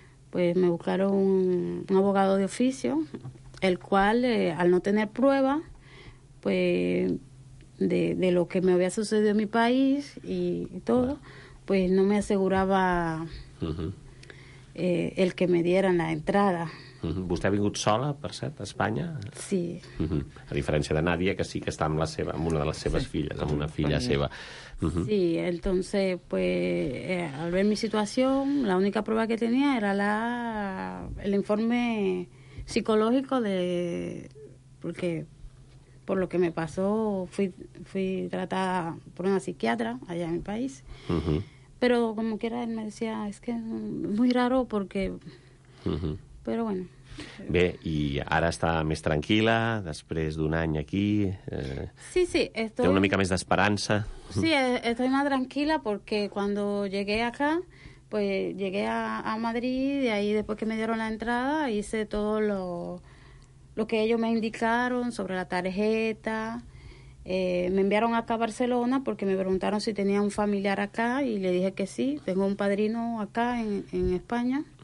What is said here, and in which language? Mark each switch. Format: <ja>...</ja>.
<es>Pues me buscaron un abogado de oficio, el cual al no tener prueba, pues de lo que me había sucedido en mi país y todo, pues no me aseguraba el que me dieran la entrada.</es> <ca>Vostè ha vingut sola, per cert, a Espanya? Sí. A diferència de Nadia, que sí que està amb la seva, amb una de les seves filles, amb una filla seva.</ca> <es>Sí, entonces, pues, al ver mi situación, la única prueba que tenía era la, el informe psicológico de... Porque por lo que me pasó, fui tratada por una psiquiatra allá en mi país. Pero como quiera, él me decía, es que es muy raro porque...</es> <ca>Però bueno. Bé, i ara està més tranquil·la, després d'un any aquí...</ca> <es>Sí, sí, estoy...</es> <ca>Té una mica més d'esperança.</ca> <es>Sí, estoy más tranquila porque cuando llegué acá, pues llegué a Madrid y ahí después que me dieron la entrada hice todo lo que ellos me indicaron sobre la tarjeta. Me enviaron acá a Barcelona porque me preguntaron si tenía un familiar acá y le dije que sí, tengo un padrino acá en España.</es>